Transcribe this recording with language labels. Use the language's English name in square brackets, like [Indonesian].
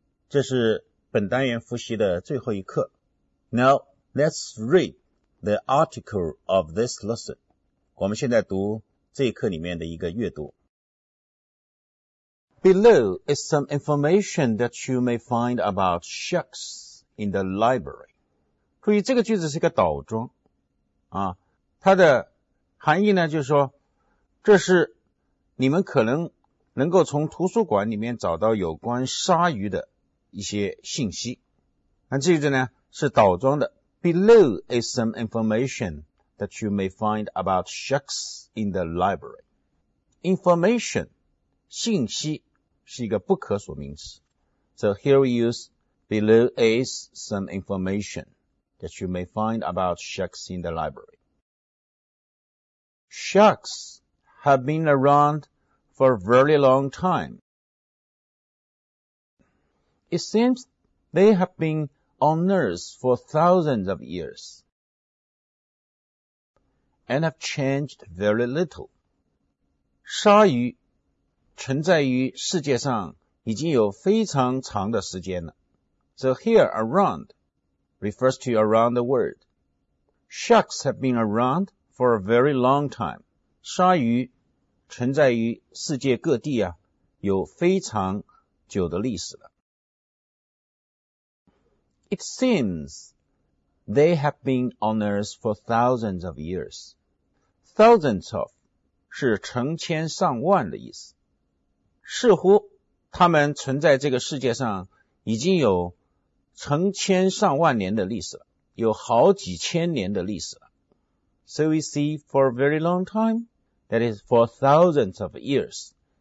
[Chinese] 这是本单元复习的最后一课。 [English] Now, let's read the article of this lesson. [Chinese] 我们现在读这一课里面的一个阅读。 [English] Below is some information that you may find about sharks in the library. [Chinese] 注意这个句子是一个倒装。它的含义呢就是说这是你们可能能够从图书馆里面找到有关鲨鱼的一些信息。那这个呢是倒装的。 [English] Below is some information that you may find about sharks in the library. [Chinese] Information, 信息是一个不可数名词。 [English] So here we use below is some information that you may find about sharks in the library. Sharks have been around for a very long time. It seems they have been on Earth for thousands of years and have changed very little. [Chinese] 鲨鱼存在于世界上已经有非常长的时间了。 [English] So here, around refers to around the world. Sharks have been around for a very long time. [Chinese] 鲨鱼存在于世界各地啊，有非常久的历史了。 [English] It seems they have been on Earth for thousands of years. [Chinese] Thousands of 是成千上万的意思。似乎他们存在这个世界上已经有成千上万年的历史了，有好几千年的历史了。 [English] So we see for a very long time. That is for thousands of years.